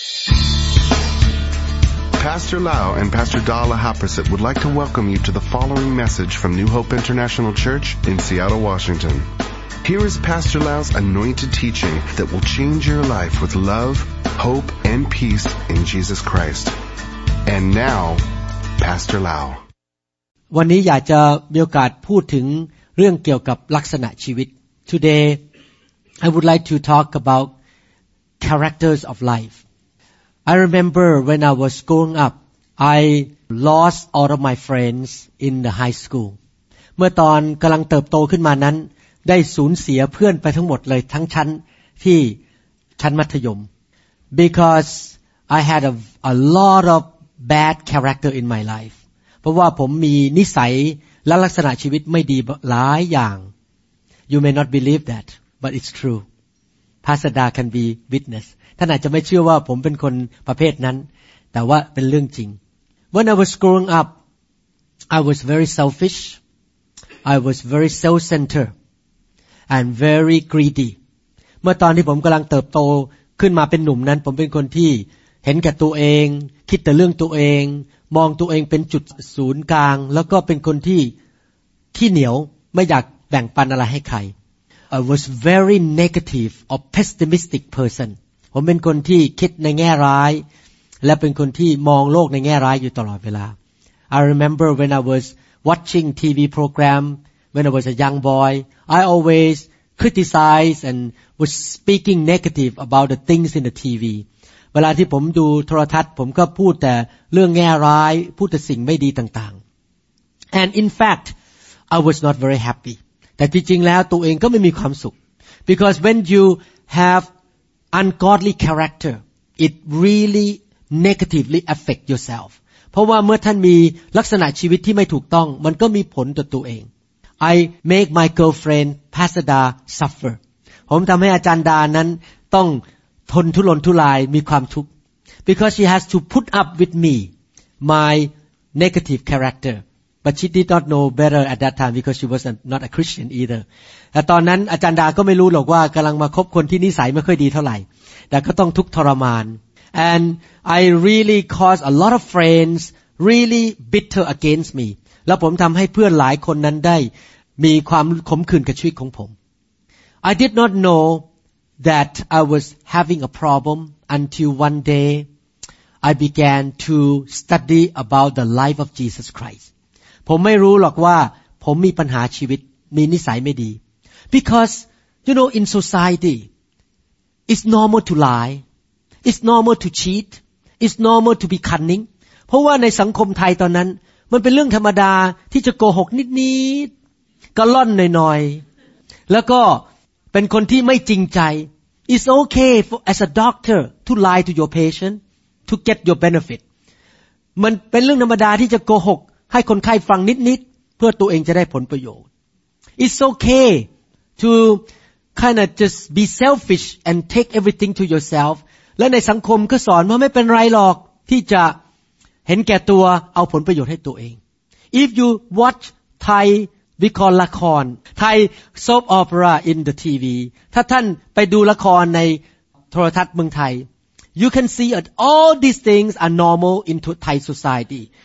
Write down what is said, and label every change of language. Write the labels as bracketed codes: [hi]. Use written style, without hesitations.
[en] Pastor Lau and Pastor Dala Haprasit would like to welcome you to the following message from New Hope International Church in Seattle, Washington. Here is Pastor Lau's anointed teaching that will change your life with love, hope, and peace in Jesus Christ. And now, Pastor Lau. [th] วันนี้อยากจะมีโอกาสพูดถึงเรื่องเกี่ยวกับลักษณะชีวิต [en] Today, I would like to talk about characters of life. I remember when I was growing up, I lost all of my friends in the high school. [th] เมื่อตอนกำลังเติบโตขึ้นมานั้นได้สูญเสียเพื่อนไปทั้งหมดเลยทั้งชั้นที่ชั้นมัธยม [en] Because I had a lot of bad character in my life. [th] เพราะว่าผมมีนิสัยและลักษณะชีวิตไม่ดีหลายอย่าง [en] You may not believe that, but it's true. Pasada can be witness. [th] ท่านอาจจะไม่เชื่อว่าผมเป็นคนประเภทนั้นแต่ว่าเป็นเรื่องจริง [en] When I was growing up I was very selfish I was very self-centered and very greedy [th] เมื่อตอนที่ผมกำลังเติบโตขึ้นมาเป็นหนุ่มนั้นผมเป็นคนที่เห็นแก่ตัวเองคิดแต่เรื่องตัวเองมองตัวเองเป็นจุดศูนย์กลางแล้วก็เป็นคนที่ขี้เหนียวไม่อยากแบ่งปันอะไรให้ใคร [en] I was very negative or pessimistic person [th] ผมเป็นคนที่คิดในแง่ร้ายและเป็นคนที่มองโลกในแง่ร้ายอยู่ตลอดเวลา [en] I remember when I was watching TV program when I was a young boy I always criticize and was speaking negative about the things in the TV [th] เวลาที่ผมดูโทรทัศน์ผมก็พูดแต่เรื่องแง่ร้ายพูดแต่สิ่งไม่ดีต่าง [en] ๆ And in fact I was not very happy [th] แต่จริงๆแล้วตัวเองก็ไม่มีความสุข [en] Because when you haveUngodly character, it really negatively affect yourself. [th] เพราะว่าเมื่อท่านมีลักษณะชีวิตที่ไม่ถูกต้องมันก็มีผลต่อตัวเอง [en] I make my girlfriend Pasada suffer. [th] ผมทำให้อาจารย์ดานั้นต้องทนทุรนทุรายมีความทุกข์ [en] because she has to put up with me, my negative character. But she did not know better at that time because she was not a Christian either. [th] แต่ตอนนั้นอาจารย์ดาก็ไม่รู้หรอกว่ากำลังมาคบคนที่นิสัยไม่ค่อยดีเท่าไหร่แต่ก็ต้องทุกข์ทรมาน [en] and I really caused a lot of friends really bitter against me [th] แล้วผมทำให้เพื่อนหลายคนนั้นได้มีความขมขื่นกับชีวิตของผม [en] I did not know that I was having a problem until one day I began to study about the life of Jesus Christ [th] ผมไม่รู้หรอกว่าผมมีปัญหาชีวิตมีนิสัยไม่ดี [en] Because you know in society, it's normal to lie, it's normal to cheat, it's normal to be cunning. [th] เพราะว่าในสังคมไทยตอนนั้นมันเป็นเรื่องธรรมดาที่จะโกหกนิดๆกะล่อนหน่อยๆแล้วก็เป็นคนที่ไม่จริงใจ [en] It's okay for as a doctor to lie to your patient to get your benefit. [th] มันเป็นเรื่องธรรมดาที่จะโกหกให้คนไข้ฟังนิดๆเพื่อตัวเองจะได้ผลประโยชน์ [en] It's okay. To kind of just be selfish and take everything to yourself. [th] และในสังคมก็สอนว่าไม่เป็นไรหรอกที่จะเห็นแก่ตัวเอาผลประโยชน์ให้ตัวเอง [en] If you watch Thai [th] วิกรละคร [en] Thai soap opera in the TV. [th] ถ้าท่านไปดูละครในโทรทัศน์เมืองไทย [en] You can see that all these things are normal in Thai society.